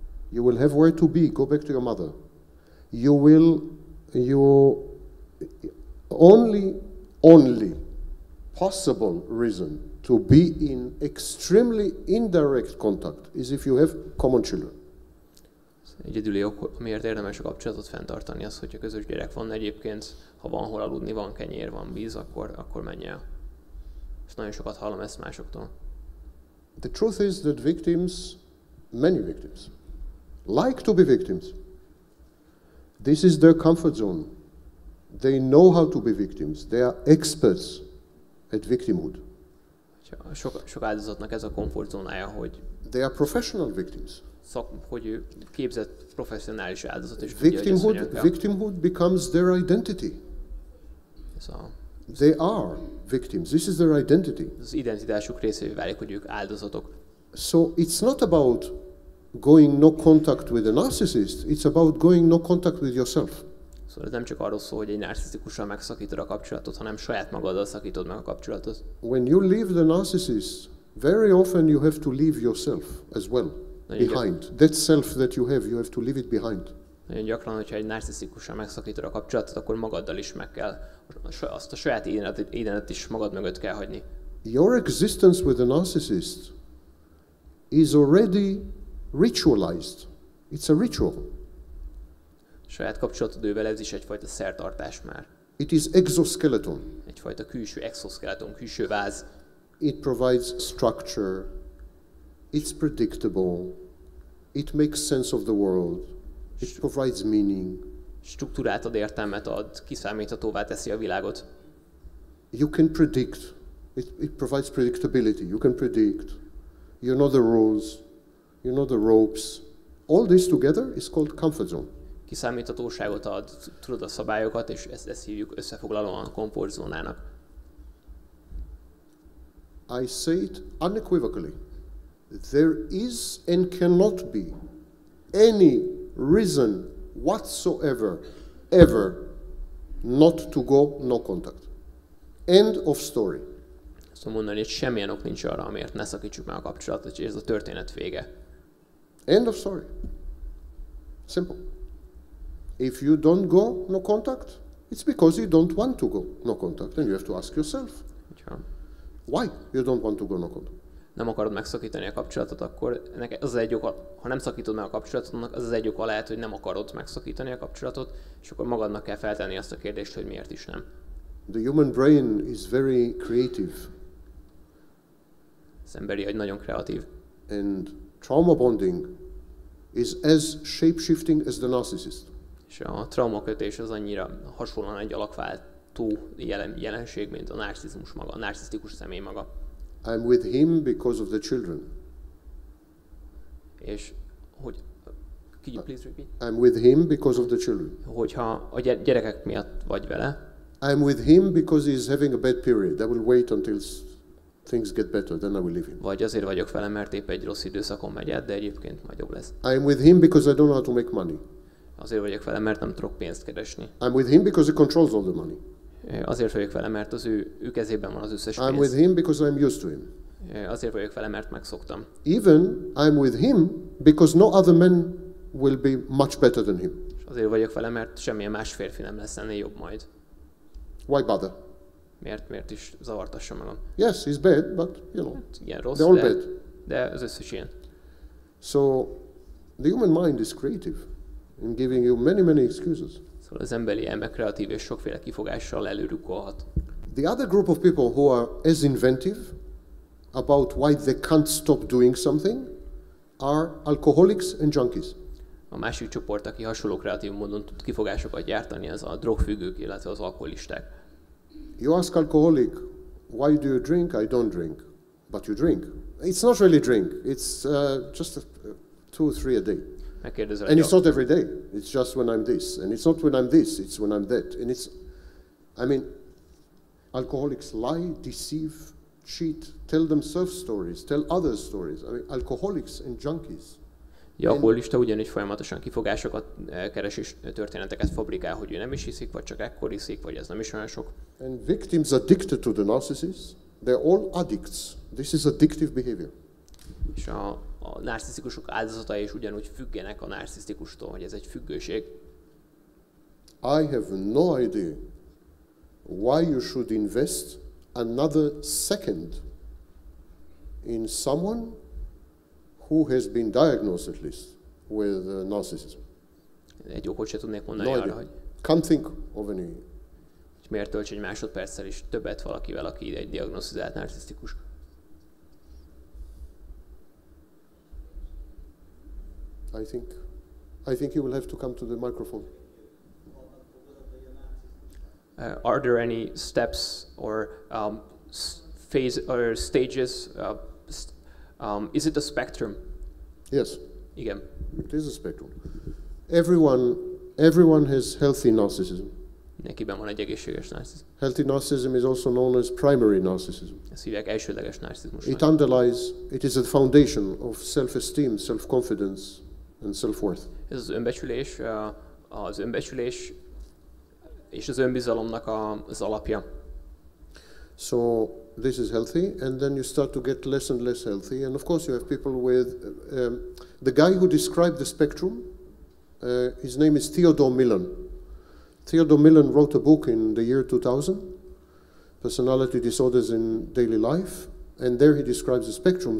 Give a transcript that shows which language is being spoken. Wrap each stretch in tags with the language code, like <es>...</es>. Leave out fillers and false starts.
<en>You will have where to be. Go back to your mother. You will. You only possible reason to be in extremely indirect contact is if you have common children.</en> <hu>Egyedüli ok, miért érdemes a kapcsolatot fenntartani, az, hogy a közös gyerek van egyébként, ha van hol aludni, van kenyér, van víz, akkor menj el. És nagyon sokat hallom ezt másoktól.</hu> <en>The truth is that victims, many victims, like to be victims. This is their comfort zone. They know how to be victims. They are experts at victimhood.</en> <hu>Sok áldozatnak ez a komfortzónája, hogy</hu> <en>they are professional victims.</en> <hu>Hogy képzett professzionális áldozat is.</hu> <en>Victimhood becomes their identity. So, they are victims. This is their identity.</en> <hu>Az identitásuk részévé válik, hogy ők áldozatok.</hu> <en>So it's not about going no contact with a narcissist, it's about going no contact with yourself.</en> <hu>Szóval ez nem csak arról szól, hogy egy narcisztikussal megszakítod a kapcsolatot, hanem saját magaddal szakítod meg a kapcsolatot.</hu> <en>When you leave the narcissist, very often you have to leave yourself as well, behind. That self that you have to leave it behind.</en> <hu>Nagyon gyakran, hogyha egy narcisztikussal megszakítod a kapcsolatot, akkor magaddal is meg kell, azt a saját identitást is magad mögött kell hagyni.</hu> <en>Your existence with a narcissist is already ritualized. It's a ritual.</en> <hu>Saját kapcsolatodővel ez is egyfajta szertartás már.</hu> <en>It is exoskeleton.</en> <hu>Egyfajta külső exoskeleton, külső váz.</hu> <en>It provides structure. It's predictable. It makes sense of the world. It provides meaning.</en> <hu>Struktúrát ad, értelmet ad, kiszámíthatóvá teszi a világot.</hu> <en>You can predict. It provides predictability. You can predict. You know the rules. You know the ropes. All this together is called comfort zone.</en> <hu>Kiszámíthatóságot ad, tudod a szabályokat, és ezt hívjuk összefoglalóan komfortzónának.</hu> <en>I say it unequivocally. There is and cannot be any reason whatsoever, ever, not to go, no contact. End of story.</en> <hu>Szóval mondani, hogy semmilyen ok nincs arra, amiért ne szakítsuk meg a kapcsolatot, és ez a történet vége.</hu> <en>End of story. Simple. If you don't go, no contact, it's because you don't want to go, no contact. And you have to ask yourself. Why you don't want to go, no contact?</en> <hu>Nem akarod megszakítani a kapcsolatot, akkor ennek az egy oka, ha nem szakítod meg a kapcsolatot, az az egy oka lehet, hogy nem akarod megszakítani a kapcsolatot, és akkor magadnak kell feltenni azt a kérdést, hogy miért is nem.</hu> <en>The human brain is very creative.</en> <hu>Az emberi agy nagyon kreatív.</hu> <en>And trauma bonding is as shape-shifting as the narcissist.</en> <hu>És a traumakötés az annyira hasonlóan egy alakváltó jelenség, mint a narcisztikus maga, a narcisztikus személy maga.</hu> <en>I'm with him because of the children.</en> <hu>És hogy,</hu> <en>could you please repeat? I'm with him because of the children.</en> <hu>Hogyha a gyerekek miatt vagy vele.</hu> <en>I'm with him because he's having a bad period. I will wait until things get better, then I will leave him.</en> <hu>Vagy azért vagyok vele, mert épp egy rossz időszakon megy át, de egyébként majd jobb lesz.</hu> <en>I'm with him because I don't know how to make money.</en> <hu>Azért vagyok vele, mert nem tudok pénzt keresni.</hu> <en>I'm with him because he controls all the money.</en> <hu>Azért vagyok vele, mert az ő kezében van az összes pénz.</hu> <en>I'm with him because I'm used to him.</en> <hu>Azért vagyok vele, mert megszoktam.</hu> <en>Even I'm with him because no other man will be much better than him.</en> <hu>Azért vagyok vele, mert semmilyen más férfi nem lesz ennél jobb majd.</hu> <en>Why bother?</en> <hu>Miért is zavartassam magam?</hu> <en>Yes, he's bad, but you know.</en> <hu>Igen, rossz,</hu> <en>they're all bad.</en> <hu>De az összes ilyen.</hu> <en>So the human mind is creative in giving you many, many excuses.</en> <hu>Az emberi elme kreatív és sokféle kifogással előrukkolhat.</hu> <en>The other group of people who are as inventive about why they can't stop doing something are alcoholics and junkies.</en> <hu>A másik csoport, aki hasonló kreatív módon tud kifogásokat gyártani, az a drogfüggők, illetve az alkoholisták.</hu> <en>You ask alcoholic, why do you drink? I don't drink. But you drink. It's not really drink. It's just two or three a day. And it's not every day. It's just when I'm this. And it's not when I'm this. It's when I'm that. And it's, I mean, alcoholics lie, deceive, cheat, tell themselves stories, tell others stories. I mean, alcoholics and junkies.</en> <hu>Ja, alkoholista ugyanígy folyamatosan kifogásokat keres és történeteket fabrikál, hogy ő nem is hiszik, vagy csak ekkor hiszik, vagy ez nem is olyan sok.</hu> <en>And victims addicted to the narcissist, they're all addicts. This is addictive behavior.</en> <hu>És a narcisztikusok áldozatai is ugyanúgy függenek a narcisztikustól, hogy ez egy függőség.</hu> <en>I have no idea why you should invest another second in someone who has been diagnosed at least with narcissism.</en> <hu>Egy okot sem tudnék mondani arra, hogy...</hu> <en>Can't think of any...</en> <hu>Hogy miért töltsd egy másodperccel is többet valakivel, aki egy diagnosztizált narcisztikus.</hu> <en>I think you will have to come to the microphone. Are there any steps or phase or stages? Is it a spectrum? Yes.</en> <hu>Igen.</hu> <en>It is a spectrum. Everyone has healthy narcissism.</en> <hu>Nekiben van egy egészséges narcissism.</hu> <en>Healthy narcissism is also known as primary narcissism.</en> <hu>Ez hívják elsődleges narcissizmus.</hu> <en>It underlies. It is the foundation of self-esteem, self-confidence. And self-worth.</en> <hu>Ez az önbecsülés, az önbecsülés és az önbizalomnak az alapja.</hu> <en>So this is healthy, and then you start to get less and less healthy, and of course you have people with the guy who described the spectrum. His name is Theodore Millon. Theodore Millon wrote a book in the year 2000, Personality Disorders in Daily Life, and there he describes the spectrum.</en>